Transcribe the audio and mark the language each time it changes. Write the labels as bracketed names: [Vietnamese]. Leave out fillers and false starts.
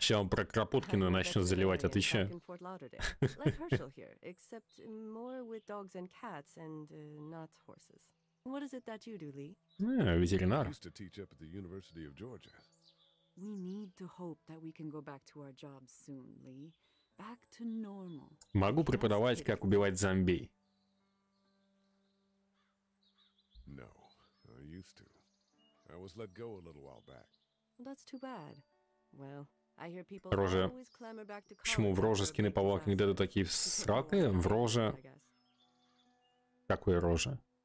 [Russian] Сейчас он про Кропоткина начнет заливать, отвечаю. [English] Like Herschel here, except more with dogs and cats and not horses. What is it that you do, Lee? [Russian] Ветеринар. [English] Used to teach up at the University of Georgia. We need to hope that we can go back to our jobs soon, Lee. Back to normal. [Russian] Могу преподавать, как убивать зомби. [English] No, I used to. I was let go a little while back. That's too bad. Well, I hear people [Russian] Роже. [English] Always clamor back to [Russian] почему в роже скины по Walking Dead такие всраты? В роже... Какой роже?